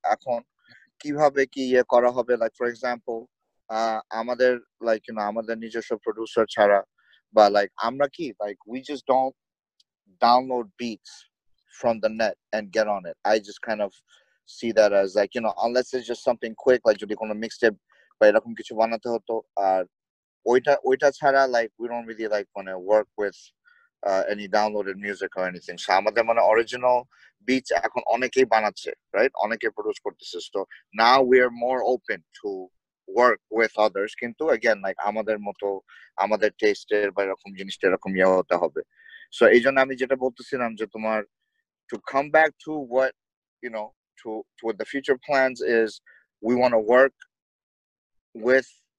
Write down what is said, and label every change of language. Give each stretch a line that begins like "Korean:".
Bangla: এখন কিভাবে কি ইয়ে করা হবে,
English: like for example, আমাদের like, you know,
Bangla: আমাদের নিজস্ব
English: producer ছাড়া, but like
Bangla: আমরা কি,
English: like we just don't download beats from the net and get on it. I just kind of see that as like, you know, unless it's just something quick, like
Bangla: যদি কোনো mixtape বা এরকম কিছু বানাতে হতো, আর ওইটা ছাড়া
English: like we don't really like wanna work with any downloaded music or anything.
Bangla: So আমাদের মানে original beats এখন অনেকেই বানাচ্ছে, right? অনেকে produce করতেছে.
English: So now we are more open to work with others.
Bangla: কিন্তু again, like আমাদের মতো আমাদের taste এর বা এরকম জিনিস এরকম ইয়ে হতে হবে.
English: So
Bangla: এই জন্য আমি যেটা বলতেছিলাম যে তোমার
English: to come back to what, you know, to what the future plans is, we want to work with,